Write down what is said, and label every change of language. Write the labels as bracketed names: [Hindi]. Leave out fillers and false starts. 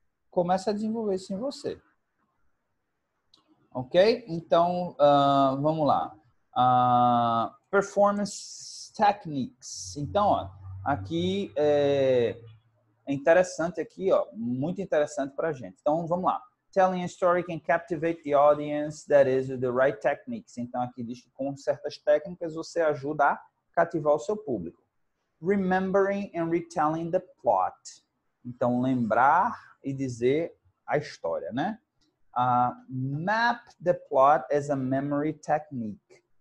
[Portuguese] Comece a desenvolver isso em você. Ok? Então, vamos lá. [English] Performance techniques. [Portuguese] Então, ó, aqui é interessante aqui, ó, muito interessante para a gente. Então, vamos lá. [English] Telling a story can captivate the audience, that is, with the right techniques. [Portuguese] Então, aqui diz que com certas técnicas você ajuda a cativar o seu público. [English] Remembering and retelling the plot. [Portuguese] Então, lembrar e dizer a história, né? [English] Map the plot as a memory technique.